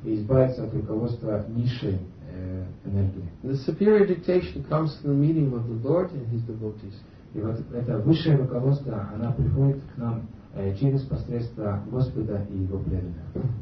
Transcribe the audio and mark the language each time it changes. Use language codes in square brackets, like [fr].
[ru] И избавиться от руководства низшей энергии. [en] The superior dictation comes from the medium of the Lord and His devotees. [ru] И вот это высшее руководство, оно приходит к нам через посредство Господа и Его преданных.